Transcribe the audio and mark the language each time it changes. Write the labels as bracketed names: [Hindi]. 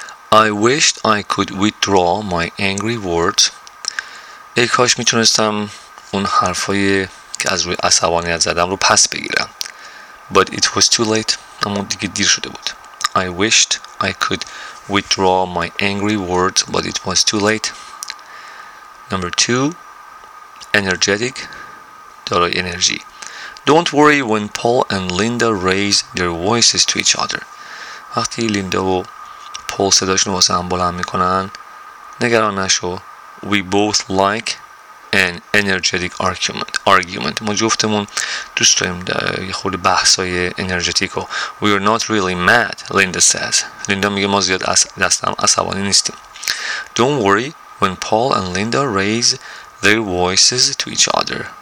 [English] I wished I could withdraw my angry words. [Persian] ای کاش میتونستم اون حرفای که از روی عصبانیت زدم رو پس بگیرم. [English] But it was too late. [Persian] اما دیگه دیر شده بود. [English] I wished I could withdraw my angry words, but it was too late. Number two, energetic, [Persian] دارای انرژی. [English] Don't worry when Paul and Linda raise their voices to each other. [Persian] وقتی لیندا و پول صداشون واسه هم بلند میکنن نگران نشو. [English] We both like an energetic argument. [Persian] ما جفتمون دوست داریم یه خود بحثای انرژتیکو. [English] We are not really mad, Linda says. [Persian] لیندا میگه ما زیاد دستم عصبانی نیستیم. [English] Don't worry when Paul and Linda raise their voices to each other.